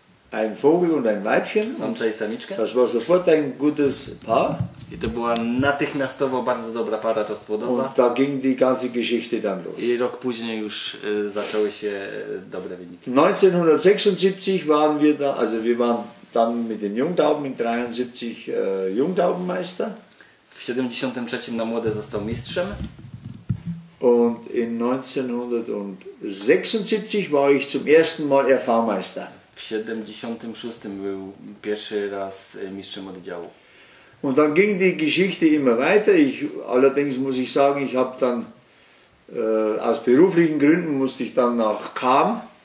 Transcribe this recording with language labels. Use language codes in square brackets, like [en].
[de] Ein Vogel und ein Weibchen. [pl] Samca i samiczkę. [de] Das war sofort ein gutes Paar. [pl] I to była natychmiastowo bardzo dobra para rozpłodowa. [de] Und da ging die ganze Geschichte dann los. [pl] I rok później już zaczęły się dobre wyniki. [de] 1976 waren wir da, also wir waren dann mit den Jungtauben in 73 Jungtaubenmeister. [pl] W 73 na młode został mistrzem. [de] Und in 1976 war ich zum ersten Mal RV-Meister. [pl] W 76 był pierwszy raz mistrzem oddziału. [de] Und dann ging die Geschichte immer weiter. Ich, allerdings muss ich sagen, ich habe dann aus beruflichen Gründen musste ich dann nach Cham.